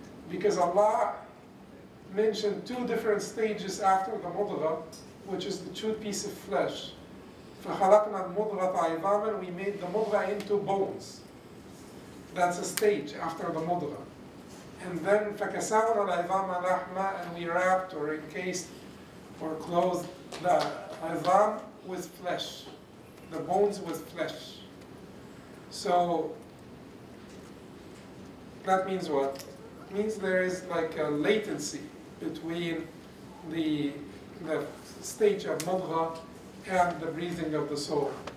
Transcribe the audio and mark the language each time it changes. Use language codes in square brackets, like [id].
[en] Because Allah mentioned two different stages after the mudgha, which is the chewed piece of flesh. [ar] فَخَلَقْنَا الْمُضْغَةَ عِظَامًا. [en] We made the mudgha into bones. That's a stage after the mudgha. And then [ar] فَكَسَوْنَا الْعِظَامَ لَحْمًا. [en] And we wrapped or encased or closed the عِظَام with flesh, the bones with flesh. So that means what? It means there is like a latency between the stage of mudgha and the breathing of the soul.